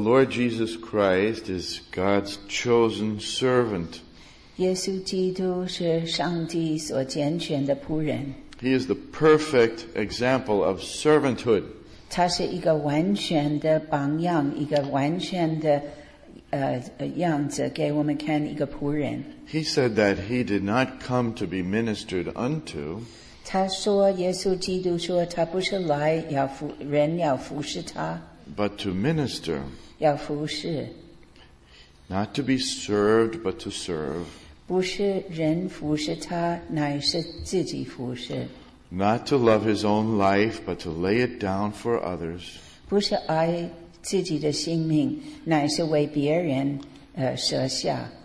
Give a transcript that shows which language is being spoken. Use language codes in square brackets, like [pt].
[en] Lord Jesus Christ is God's chosen servant. [zh] 耶稣基督是上帝所拣选的仆人。He [en] is the perfect example of servanthood. [zh] 他是一个完全的榜样，一个完全的 [en] He said that he did not come to be ministered unto. [zh] 他说耶稣基督说他不是来要服人要服侍他, [en] but to minister. [zh] 要服侍, [en] not to be served, but to serve. [zh] 不是人服侍他, 乃是自己服侍, [en] not to love his own life, but to lay it down for others. [zh] 不是爱 自己的性命, 乃是为别人, 舍下,